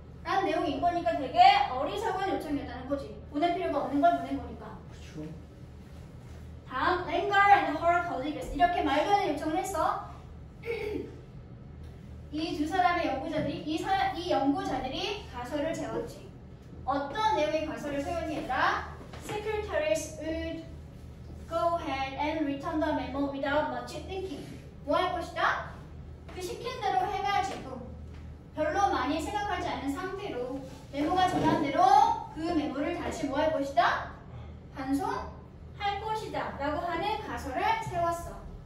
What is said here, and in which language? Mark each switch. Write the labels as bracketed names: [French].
[Korean] 라는 내용이 있거니까 되게 어리석은 요청이었다는 거지. 보낼 필요가 없는 걸 보낸 거니까. 그쵸. 다음, [English] Langer and her colleagues. [Korean] 이렇게 말도 안 되는 요청을 했어. 이 두 사람의 연구자들이, 이 연구자들이 가설을 세웠지. 어떤 내용의 가설을 세웠니 얘들아? [English] Secretaries would go ahead and return the memo without much thinking. [Korean] 뭐 할 것이다? 그 시킨 대로 해가지고 별로 많이 생각하지 않은 상태로 메모가 전한 대로 그 메모를 다시 뭐 할 것이다? 반송할 것이다 라고 하는 가설을 세웠어.